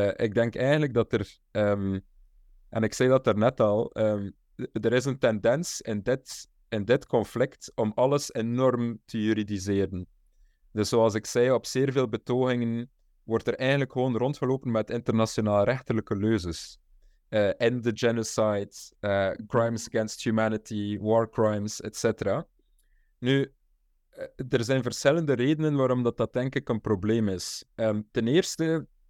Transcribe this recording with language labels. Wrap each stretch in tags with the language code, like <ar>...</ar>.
<nl>Ik denk eigenlijk dat er... En ik zei dat daarnet al, er is een tendens in dit conflict om alles enorm te juridiseren. Dus zoals ik zei, op zeer veel betogingen wordt er eigenlijk gewoon rondgelopen met internationaal rechtelijke leuzes.</nl> <en>End the genocide, crimes against humanity, war crimes, etc.</en> <nl>Nu, er zijn verschillende redenen waarom dat denk ik een probleem is. Ten eerste...</nl>